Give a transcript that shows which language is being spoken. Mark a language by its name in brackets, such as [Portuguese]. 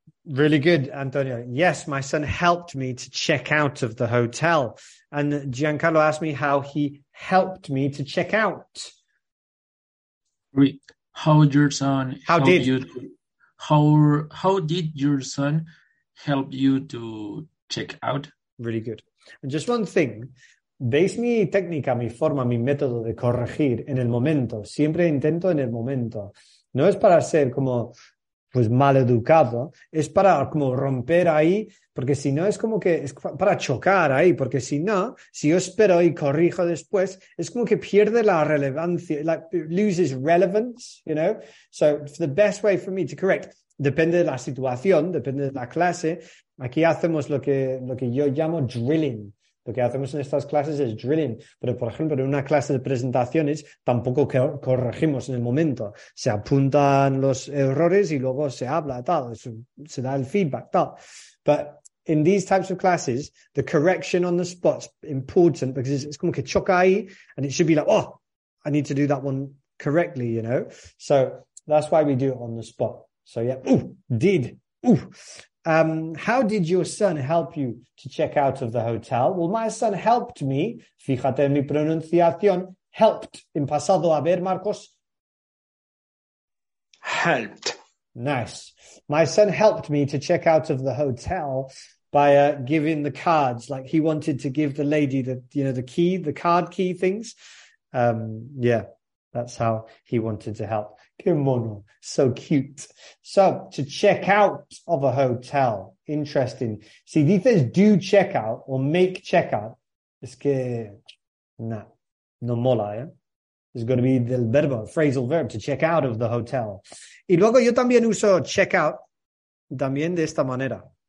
[English] Really good, Antonio. Yes, my son helped me to check out of the hotel. And Giancarlo asked me how he helped me to check out. How did your son help you to check out? Really good. And just one thing. [Spanish] ¿Veis mi técnica, mi forma, mi método de corregir en el momento? Siempre intento en el momento. No es para ser como pues mal educado, es para como romper ahí, porque si no es como que es para chocar ahí, porque si no, si yo espero y corrijo después, es como que pierde la relevancia, [English] like loses relevance, you know. So the best way for me to correct, [Spanish] depende de la situación, depende de la clase, aquí hacemos lo que yo llamo drilling. Lo que hacemos en estas clases es drilling, pero por ejemplo en una clase de presentaciones tampoco corregimos en el momento. Se apuntan los errores y luego se habla, tal, se da el feedback, tal. [English] But in these types of classes, the correction on the spot is important because it's [Spanish] como que choca ahí [English] and it should be like, oh, I need to do that one correctly, you know? So that's why we do it on the spot. So yeah, ooh, did, ooh. How did your son help you to check out of the hotel? Well, my son helped me. [Spanish] Fíjate en mi pronunciación. Helped. En pasado. A ver, Marcos. [English] Helped. Nice. My son helped me to check out of the hotel by giving the cards. Like he wanted to give the lady the card key things. Yeah, that's how he wanted to help. [Spanish] Qué mono, [English] so cute. So, to check out of a hotel. Interesting. [Spanish] Si dices [English] do check out or make check out, [Spanish] es que nah, no mola, ¿eh? [English] It's going to be the verbo, phrasal verb, to check out of the hotel. [Spanish] Y luego yo también uso check out también de esta manera.